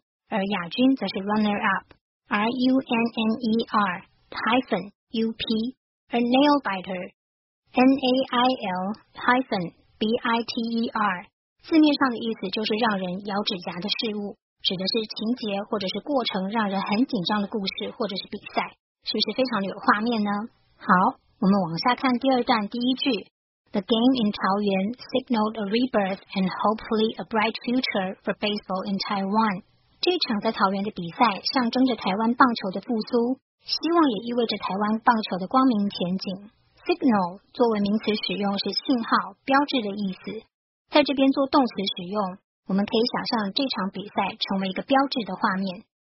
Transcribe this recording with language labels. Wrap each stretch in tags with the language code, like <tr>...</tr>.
<zh>而亚军则是 runner-up, R-U-N-N-E-R-UP, 而 nail-biter, N-A-I-L-biter, 字面上的意思就是让人咬指甲的事物，指的是情节或者是过程让人很紧张的故事或者是比赛，是不是非常的有画面呢？好，我们往下看第二段第一句。</zh> <en>The game in Taoyuan signaled a rebirth and hopefully a bright future for baseball in Taiwan.</en> <zh>这场在桃园的比赛象征着台湾棒球的复苏，希望也意味着台湾棒球的光明前景。 Signal 作为名词使用是信号、标志的意思，在这边做动词使用，我们可以想象这场比赛成为一个标志的画面。</zh>